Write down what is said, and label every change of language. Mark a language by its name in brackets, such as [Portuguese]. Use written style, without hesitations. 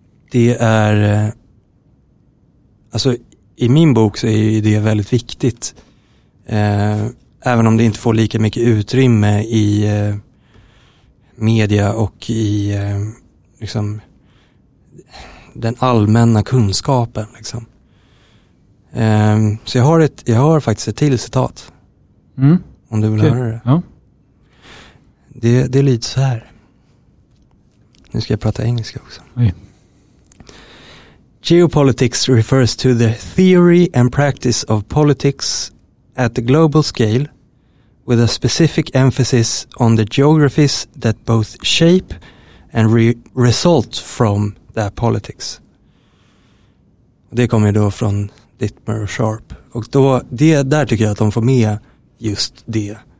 [Swedish] det är alltså i min bok så är ju det väldigt viktigt, även om det inte får lika mycket utrymme i media och i liksom den allmänna kunskapen liksom. Så jag har faktiskt ett till citat. Mm. Om du vill höra det. Ja. Det lyder så här. Nu ska jag prata engelska också. Oj. [English] Geopolitics refers to the theory and practice of politics at the global scale, with a specific emphasis on the geographies that both shape and result from that politics. [Swedish] Det kommer då från Dittmer och Sharp. Och då, det där tycker jag att de får med just det.